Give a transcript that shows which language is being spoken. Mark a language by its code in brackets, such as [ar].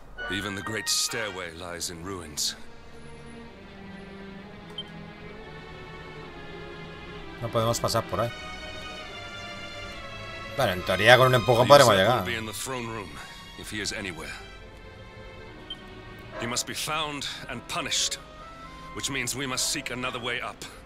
[en] Even the great stairway lies in ruins. [es] No podemos pasar por ahí. Bueno, en teoría con un empujón podremos llegar. [en] He'll be in the throne room, if he is anywhere. He must be found and punished, which means we must seek another way up.